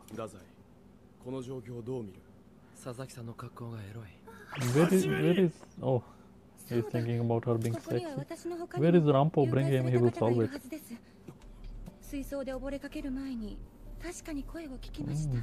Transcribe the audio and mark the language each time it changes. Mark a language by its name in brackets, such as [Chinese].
[Japanese] 太宰、この状況をどう見る。佐々木さんの格好がエロい。 [English] Where is Oh, he's thinking about her being sexy. Where is Rampo? Bring him, he will solve it. [Japanese] 水槽で溺れかける前に確かに声を聞きました。